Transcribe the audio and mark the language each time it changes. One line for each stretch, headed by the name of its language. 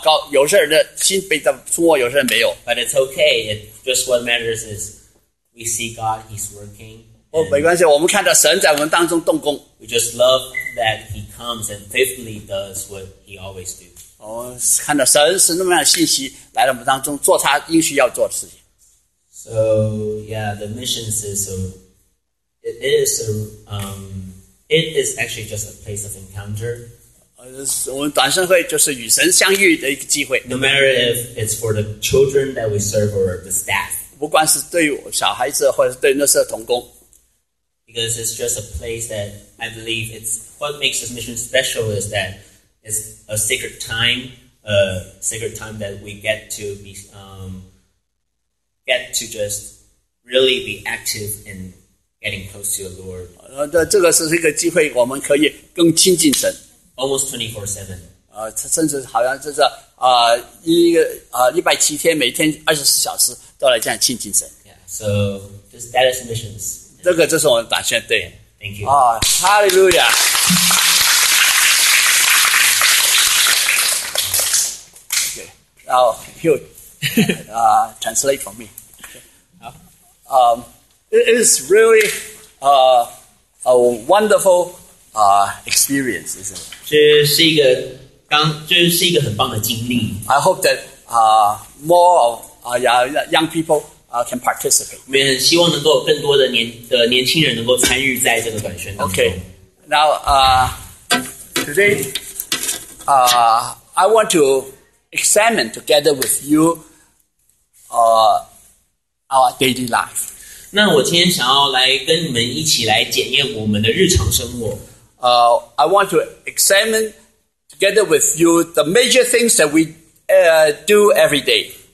Chinese: 我们呼召之后我们祷告有些人的心被触摸有些人没有
English: But it's okay, just what matters is we see God, He's working
Chinese: 没关系，我们看到神在我们当中动工
English: We just love that He comes and faithfully does what He always does
Chinese: 看到神是那么样的信息来到我们当中做他应许要做的事情
English: So yeah, the missions is it is actually just a place of encounter
Chinese: 我们短生会就是与神相遇的一个机会
English: No matter if it's for the children that we serve or the staff
Chinese: 不管是对小孩子或者是对那些同工
English: Because it's just a place that I believe it's what makes this mission special is that it's a sacred time that we get to be, get to just really be active in getting close to the Lord.
Chinese: 这个是一个机会，我们可以更亲近神。
English: Almost 24/7.
Chinese: 甚至好像就是一个107天，每天24小时都来这样亲近神。
English: Yeah. So just that is missions.
Chinese: 这个就是我们打算对。
English: Thank you. Hallelujah. Translate for me. it is really a wonderful experience, isn't it?
Chinese: 这是一个很棒的经历.
English: I hope that more of young people can participate.
Chinese: 我也很希望能够更多的年轻人能够参与在这个短宣当中.
English: Okay. Now, today, I want to examine together with you our daily life.
Chinese: 那我今天想要来跟你们一起来检验我们的日常生活.
English: I want to examine together with you the major things that we do every day.